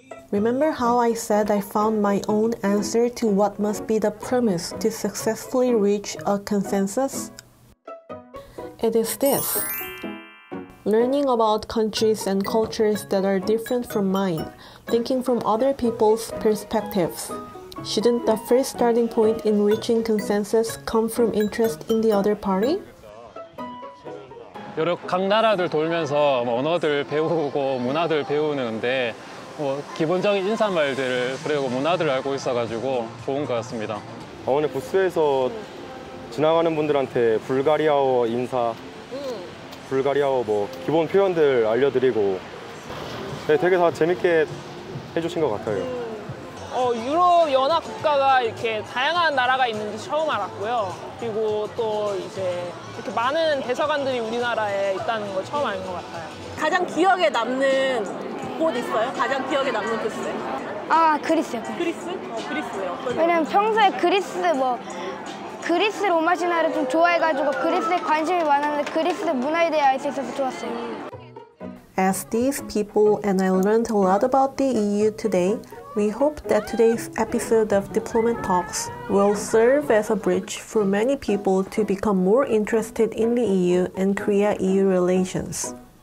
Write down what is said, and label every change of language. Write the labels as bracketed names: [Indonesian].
[English] Remember how I said I found my own answer to what must be the premise to successfully reach a consensus? It is this. Learning about countries and cultures that are different from mine, thinking from other people's perspectives. Shouldn't the first starting point in reaching consensus come from interest in the other party? [Korean] 여러 각 나라들 돌면서 언어들 배우고 문화들 배우는데 뭐 기본적인 인사말들을 그리고 문화들을 알고 있어가지고 좋은 것 같습니다. 오늘 부스에서 지나가는 분들한테 불가리아어 인사, 불가리아어 뭐 기본 표현들 알려드리고 네, 되게 다 재밌게 해주신 것 같아요. 유럽 연합 국가가 이렇게 다양한 나라가 있는지 처음 알았고요. 그리고 또 이제 이렇게 많은 대사관들이 우리나라에 있다는 거 처음 알은 것 같아요. 가장 기억에 남는 곳 있어요? 가장 기억에 남는 부스? 아, 그리스요. 그리스? 그리스예요. 왜냐면 평소에 그리스 뭐 그리스 로마 신화를 좀 좋아해가지고 그리스에 관심이 많았는데 그리스 문화에 대해 알 수 있어서 좋았어요. [English] As these people and I learned a lot about the EU today, we hope that today's episode of Diplomat Talks will serve as a bridge for many people to become more interested in the EU and Korea-EU relations.